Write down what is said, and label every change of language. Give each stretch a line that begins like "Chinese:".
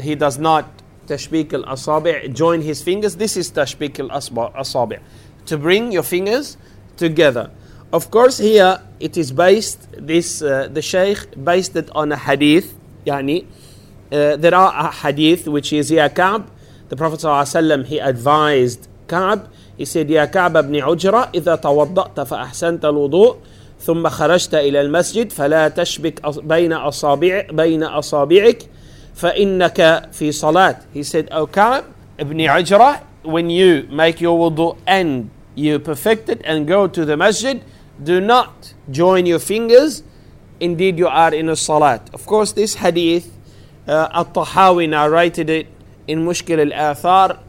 English: He does not
Arabic: تَشْبِيك الْأَصَابِعُ,
English: join his fingers. This is
Arabic: تَشْبِيك الْأَصَابِعُ.
English: To bring your fingers together. Of course, here it is based, the Shaykh based it on a hadith. Yani, there are a hadith which is Ya Ka'b. The Prophet ﷺ, he advised Ka'b. He said,
Arabic: Ya Ka'b ibn Ujra, إذا توضأت فأحسنت الوضوء ثم خرجت إلى المسجد فلا تشبك بين أصابعك فإنك في صلاة.
English: He said, O Ka'b ibn Ujra, when you make your wudu and you perfect it and go to the masjid, do not join your fingers. Indeed, you are in a salat. Of course, this hadith, Al-Tahawi narrated it in Mushkil al-Athar.